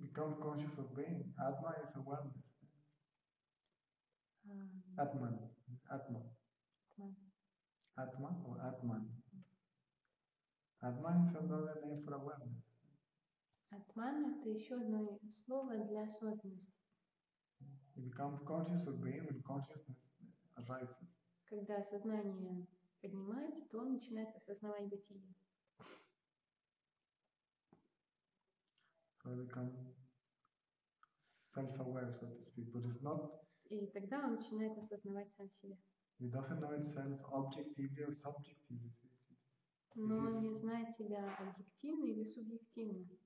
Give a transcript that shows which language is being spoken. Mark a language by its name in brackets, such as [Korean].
[English] Become conscious of being. Atma is awareness. Atman. Atma. Atma or Atman? Atman is another name for awareness. [Russian] Atman – это еще одно слово для осознанности. [English] You become conscious of being when consciousness arises. [Russian] Когда сознание поднимается, то он начинает осознавать бытие. [English] So you become self-aware, so to speak, but it's not. [Russian] И тогда он начинает осознавать сам себя. [English] He doesn't know himself objectively or subjectively. [Russian] Но он не знает себя объективно или субъективно.